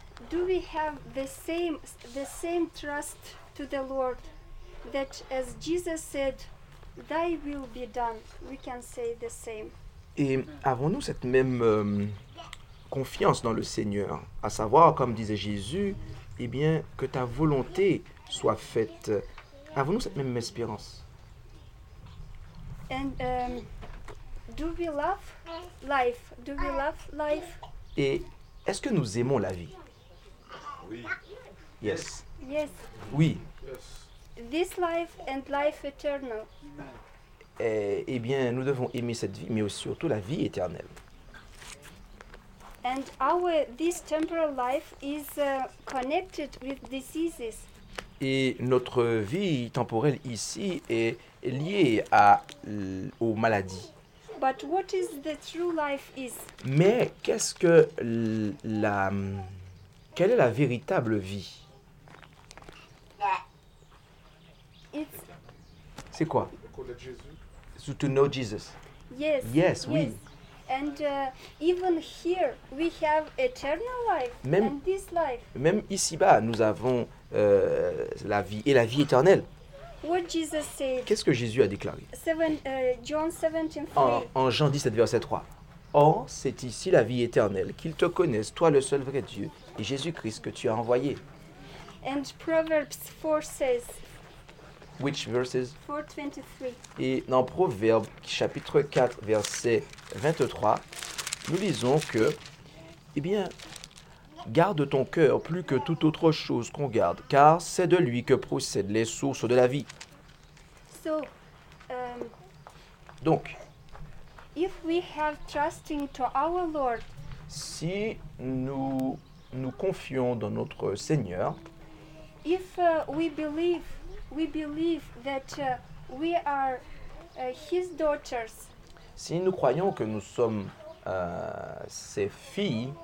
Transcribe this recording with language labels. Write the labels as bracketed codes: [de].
[en] Do we have the same trust to the Lord that as Jesus said, Thy will be done. We can say the same. [fr] Et avons-nous cette même confiance dans le Seigneur, à savoir, comme disait Jésus, eh bien, que ta volonté soit faite. Avons-nous cette même espérance? [en] And do we love life? Do we love life? [fr] Et est-ce que nous aimons la vie? Oui. [en] Yes. Yes. [fr] Oui. [en] Yes. This life and life eternal. [fr] Eh bien, nous devons aimer cette vie, mais aussi surtout la vie éternelle. [en] And our this temporal life is connected with diseases. [fr] Et notre vie temporelle ici est liée à aux maladies. [en] But what is the true life is? [fr] Mais qu'est-ce que la quelle est la véritable vie? [en] It's [fr] c'est quoi? [en] So to know Jesus. Yes. Yes. [fr] Oui. [en] And even here we have eternal life [fr] même, [en] and this life. [fr] Même ici-bas, nous avons la vie et la vie éternelle. [en] What Jesus said. [fr] Qu'est-ce que Jésus a déclaré? [en] John 17:3. [fr] En Jean 17 verset 3. Or, c'est ici la vie éternelle, qu'ils te connaissent, toi le seul vrai Dieu et Jésus-Christ que tu as envoyé. [en] And Proverbs 4 says. Which verses? 4:23. [fr] Et dans Proverbes chapitre 4 verset 23, nous lisons que, eh bien, garde ton cœur plus que toute autre chose qu'on garde, car c'est de lui que procèdent les sources de la vie. [en] So, [fr] donc, [en] if we have trusting to our Lord, [fr] si nous nous confions dans notre Seigneur, [en] if we believe that we are his daughters. [fr] Si nous croyons que nous sommes ses filles.